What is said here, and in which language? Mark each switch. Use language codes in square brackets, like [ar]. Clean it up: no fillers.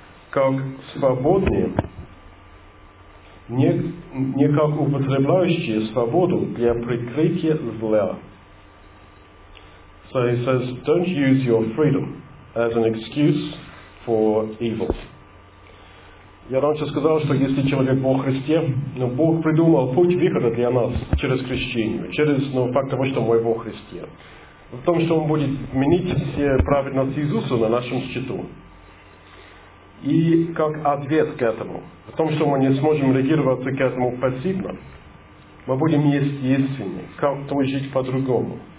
[ru] Как свободные, не как употребляющие свободу для прикрытия зла. [en] So he says, don't use your freedom as an excuse for evil. [ru] Я раньше сказал, что если человек во Христе, но Бог придумал путь выхода для нас через крещение, через факт того, что мы во Христе. В том, что он будет менять все праведности Иисуса на нашем счету. И как ответ к этому, в том, что мы не сможем реагировать к этому пассивно, мы будем естественны, как-то жить по-другому.